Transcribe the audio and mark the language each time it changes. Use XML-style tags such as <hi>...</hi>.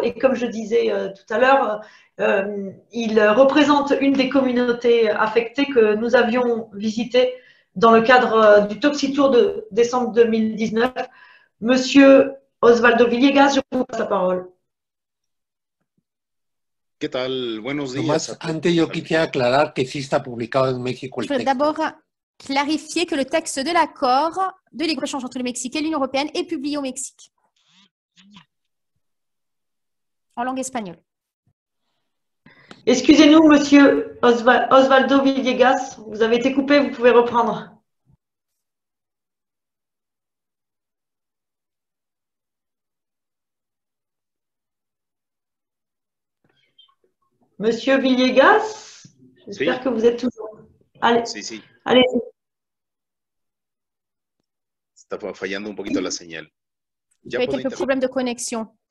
<fr>Et comme je disais tout à l'heure, il représente une des communautés affectées que nous avions visitées dans le cadre du Topsy Tour de décembre 2019. Monsieur Osvaldo Villegas, je vous passe la parole.</fr> <es>¿Qué tal? Buenos días. Antes, yo quisiera aclarar que sí está publicado en México el texto.</es> <fr>Je voudrais d'abord clarifier que le texte de l'accord de libre-échange entre le Mexique et l'Union européenne est publié au Mexique. En langue espagnole. Excusez-nous, monsieur Osvaldo Villegas, vous avez été coupé, vous pouvez reprendre. Monsieur Villegas, j'espère que vous êtes toujours. Allez. Allez.</fr> <es>Está fallando un poquito la señal.</es> <fr>Il y a quelques problèmes de connexion.</fr>